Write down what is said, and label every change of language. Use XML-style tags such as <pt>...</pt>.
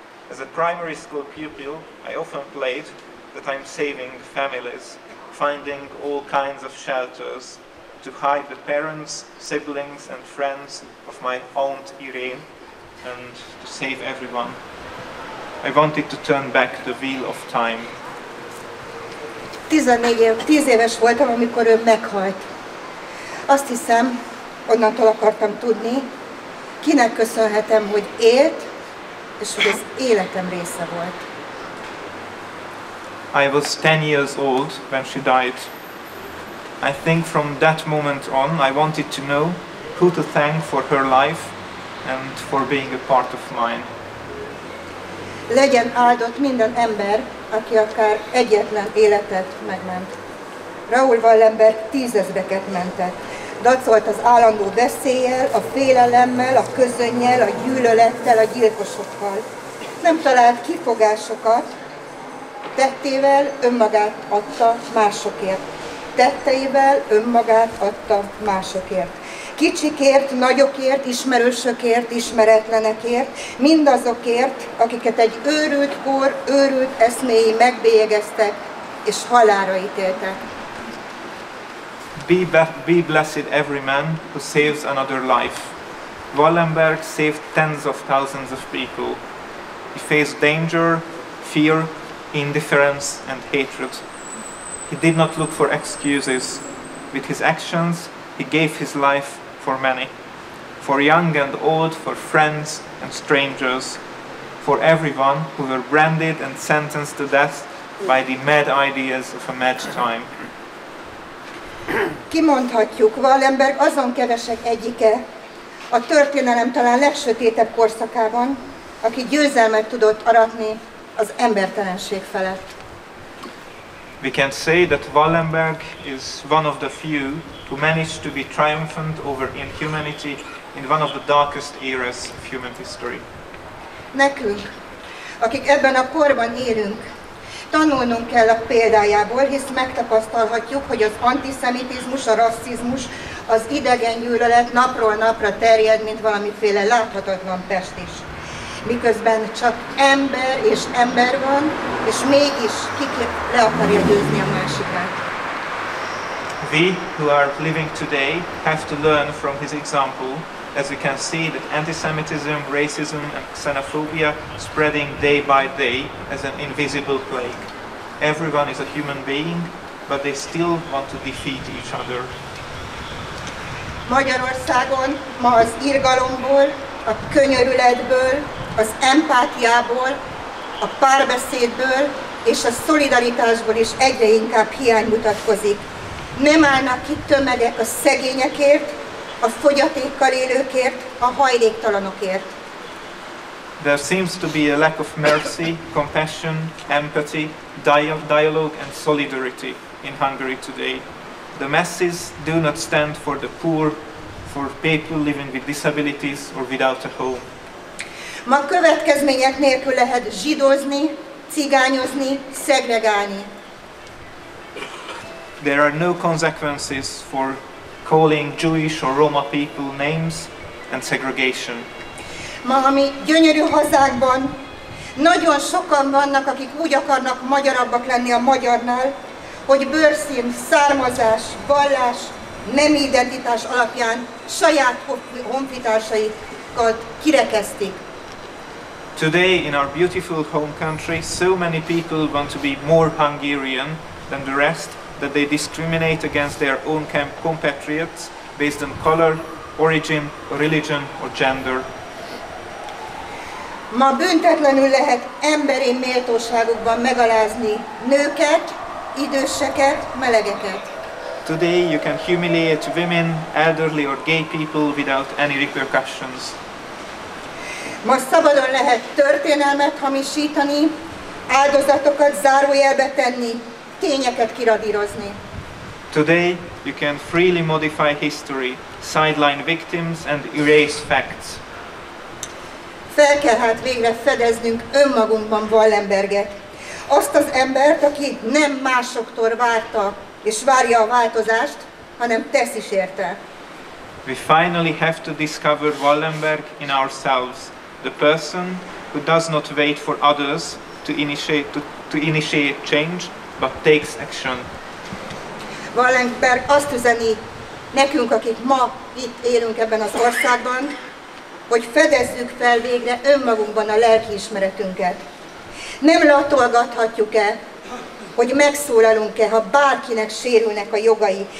<en>As a primary school pupil, I often played that I'm saving families, finding all kinds of shelters to hide the parents, siblings and friends of my aunt Irene, and to save everyone. I wanted to turn back the wheel of time.</en> <hu>10 éves voltam, amikor ő meghalt. Azt hiszem, onnantól akartam tudni, kinek köszönhetem, hogy élt, és hogy az életem része volt.</hu> <en>I was 10 years old when she died. I think from that moment on, I wanted to know who to thank for her life and for being a part of mine.</en> <hu>Legyen áldott minden ember, aki akár egyetlen életet megment. Raoul Wallenberg 10000-eket mentett. Dacolt az állandó veszéllyel, a félelemmel, a közönnyel, a gyűlölettel, a gyilkosokkal. Nem talált kifogásokat, tettével önmagát adta másokért. Tetteivel önmagát adta másokért. Kicsikért, nagyokért, ismerősökért, ismeretlenekért, mindazokért, akiket egy őrült kor, őrült eszméi megbélyegeztek és halálra ítéltek.</hu> <en>Be blessed every man who saves another life. Wallenberg saved tens of thousands of people. He faced danger, fear, indifference and hatred. He did not look for excuses. With his actions, he gave his life for many. For young and old, for friends and strangers. For everyone who were branded and sentenced to death by the mad ideas of a mad time.</en> <hu>Kimondhatjuk, Wallenberg azon kevesek egyike, a történelem talán legsötétebb korszakában, aki győzelmet tudott aratni az embertelenség felett.</hu> <en>We can say that Wallenberg is one of the few who managed to be triumphant over inhumanity in one of the darkest eras of human history.</en> <hu>Nekünk, akik ebben a korban élünk, tanulnunk kell a példájából, hisz megtapasztalhatjuk, hogy az antiszemitizmus, a rasszizmus, az idegen gyűlölet napról napra terjed, mint valamiféle láthatatlan pest is. Miközben csak ember és ember van, és mégis ki le akarja győzni a másikát.</hu> <en>We who are living today have to learn from his example, as we can see that antisemitism, racism and xenophobia spreading day by day as an invisible plague. Everyone is a human being, but they still want to defeat each other.</en> <hu>Magyarországon ma az irgalomból, a könyörületből, az empátiából, a párbeszédből és a szolidaritásból is egyre inkább hiány mutatkozik. Nem állnak ki tömegek a szegényekért, a fogyatékkal élőkért, a hajléktalanokért.</hu> <en>There seems to be a lack of mercy, compassion, empathy, dialogue and solidarity in Hungary today. The masses do not stand for the poor, for people living with disabilities or without a home.</en> <hu>Ma következmények nélkül lehet zsidózni, cigányozni, szegregálni.</hu> <en>There are no consequences for calling Jewish or Roma people names and segregation.</en> <hu>Ma a mi gyönyörű hazánkban nagyon sokan vannak, akik úgy akarnak magyarabbak lenni a magyarnál, hogy bőrszín, származás, vallás, nemi identitás alapján saját honfitársaikat kirekesztik.</hu> <en>Today in our beautiful home country, so many people want to be more Hungarian than the rest, that they discriminate against their own compatriots based on color, origin, religion or gender.</en> <hu>Ma büntetlenül lehet emberi méltóságukban megalázni nőket, időseket, melegeket.</hu> <en>Today you can humiliate women, elderly or gay people without any repercussions.</en> <hu>Ma szabadon lehet történelmet hamisítani, áldozatokat zárójelbe tenni, tényeket kiradírozni.</hu> <en>Today you can freely modify history, sideline victims and erase facts.</en> <hu>Fel kell hát végre fedeznünk önmagunkban Wallenberget. Azt az embert, aki nem másoktól várta és várja a változást, hanem tesz is érte.</hu> <en>We finally have to discover Wallenberg in ourselves, the person who does not wait for others to initiate change, but takes action.</en> <hu>Wallenberg azt üzeni nekünk, akik ma itt élünk ebben az országban, hogy fedezzük fel végre önmagunkban a lelkiismeretünket. Nem latolgathatjuk-e, hogy megszólalunk-e, ha bárkinek sérülnek a jogai.</hu>